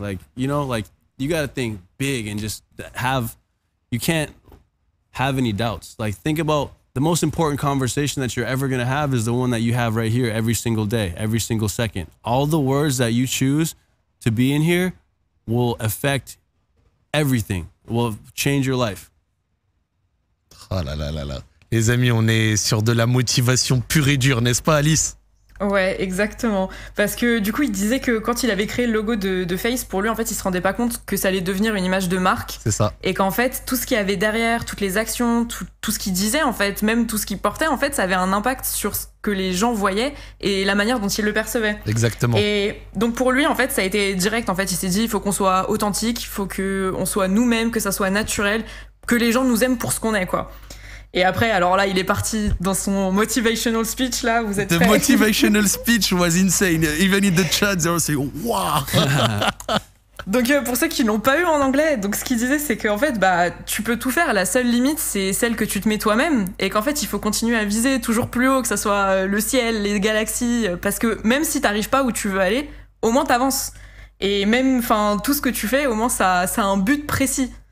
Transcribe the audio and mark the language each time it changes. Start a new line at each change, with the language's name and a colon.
English: Like, you know, like, you got to think big and just have, you can't have any doubts. Like, think about the most important conversation that you're ever going to have is the one that you have right here every single day, every single second. All the words that you choose to be in here will affect everything, will change your life.
French: Oh là là là là. Les amis, on est sur de la motivation pure et dure, n'est-ce pas, Alice? Ouais, exactement. Parce que du coup, il disait que quand il avait créé le logo de FaZe, pour lui, en fait, il se rendait pas compte que ça allait devenir une image de marque. C'est ça. Et qu'en fait, tout ce qu'il y avait derrière, toutes les actions, tout ce qu'il disait, en fait, même tout ce qu'il portait, en fait, ça avait un impact sur ce que les gens voyaient et la manière dont ils le percevaient. Exactement. Et donc, pour lui, en fait, ça a été direct. En fait, il s'est dit, il faut qu'on soit authentique, il faut qu'on soit nous-mêmes, que ça soit naturel, que les gens nous aiment pour ce qu'on est, quoi. Et après, alors là, il est parti dans son motivational speech, là, vous êtes prêts?
English: The motivational speech was insane. Even in the chat, they were saying, wow!
French: Donc, pour ceux qui ne l'ont pas eu en anglais, donc ce qu'il disait, c'est qu'en fait, bah, tu peux tout faire. La seule limite, c'est celle que tu te mets toi-même. Et qu'en fait, il faut continuer à viser toujours plus haut, que ce soit le ciel, les galaxies. Parce que même si tu n'arrives pas où tu veux aller, au moins, tu avances. Et même, enfin, tout ce que tu fais, au moins, ça a un but précis.